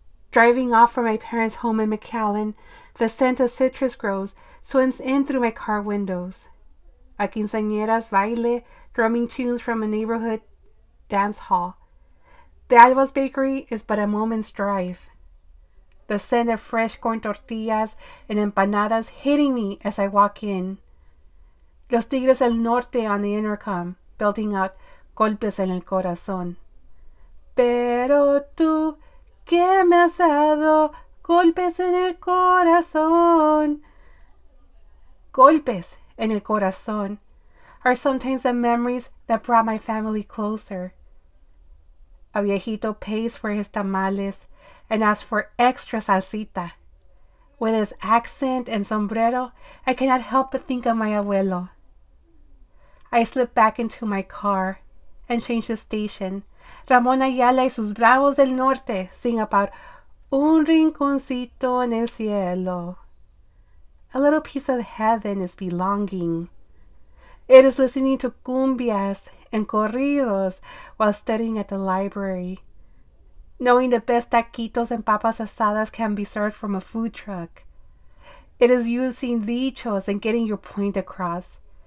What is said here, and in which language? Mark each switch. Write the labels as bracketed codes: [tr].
[en] Driving off from my parents' home in McAllen, the scent of citrus groves swims in through my car windows. A quinceañera's baile, drumming tunes from a neighborhood dance hall. The Alba's bakery is but a moment's drive. The scent of fresh corn tortillas and empanadas hitting me as I walk in. Los Tigres del Norte on the intercom, belting out golpes en el corazón. [es] Pero tú, que me has dado golpes en el corazón. [en] Golpes en el corazón are sometimes the memories that brought my family closer. A viejito pays for his tamales and asks for extra salsita. With his accent and sombrero, I cannot help but think of my abuelo. I slip back into my car and change the station. Ramon Ayala y sus bravos del norte sing about un rinconcito en el cielo. A little piece of heaven is belonging. It is listening to cumbias and corridos while studying at the library. Knowing the best taquitos and papas asadas can be served from a food truck. It is using dichos and getting your point across.